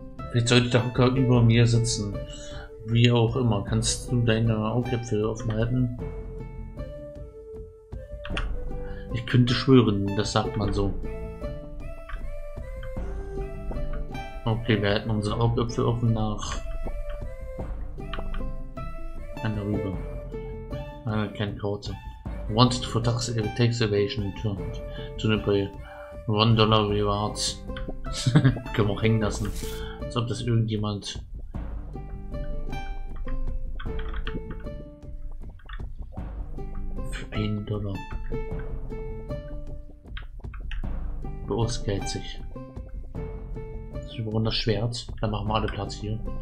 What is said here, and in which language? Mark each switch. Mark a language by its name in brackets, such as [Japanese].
[German] Vielleicht sollte der Hocker über mir sitzen. Wie auch immer, kannst du deine Augäpfel offenhalten? Ich könnte schwören, das sagt man so. Okay, wir halten unsere Augäpfel offen nach einer Rübe. Eine kleine Karte. [English] Wanted for tax evasion to Nepal. $1 rewards. [German] Können wir auch hängen lassen. Als ob das irgendjemand. Für $1. Du ausgeizig. Wir brauchen das Schwert, dann machen wir alle Platz hier.